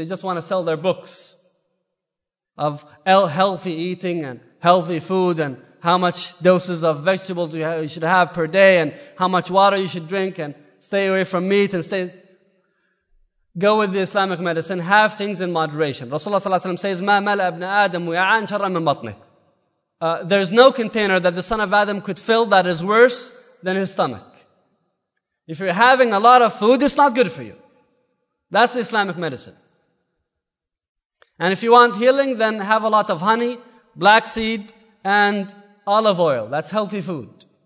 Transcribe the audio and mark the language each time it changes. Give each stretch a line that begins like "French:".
English: They just want to sell their books of healthy eating and healthy food and how much doses of vegetables you should have per day and how much water you should drink and stay away from meat and stay. Go with the Islamic medicine. Have things in moderation.
Arabic: Rasulullah sallallahu alayhi wa sallam says, مَا مَلَأَ ابْنَ آدَمْ وِيَعَانْ شَرًا مِنْ بَطْنِهِ.
English: There's no container that the son of Adam could fill that is worse than his stomach. If you're having a lot of food, it's not good for you. That's Islamic medicine. And if you want healing, then have a lot of honey, black seed, and olive oil. That's healthy food.